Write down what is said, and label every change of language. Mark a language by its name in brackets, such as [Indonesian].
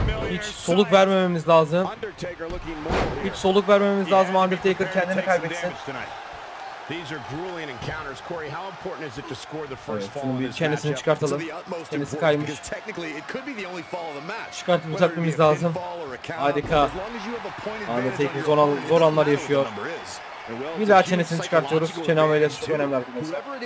[Turkish] Hiç soluk vermememiz lazım. Hiç soluk vermememiz lazım. Undertaker kendini kaybetsin. [English] These are grueling encounters, Corey. How important is it to score the first fall in this match? [Turkish] Çıkartalım. Kendisi kaymış. [English] Technically, it could be the only fall of the match. [Turkish] Çıkartmamız hakkımız lazım. Harika. Undertaker zor anlar yaşıyor. Bir daha çenesini çıkartıyoruz. Çene ameliyatı çok önemli arkadaşlar.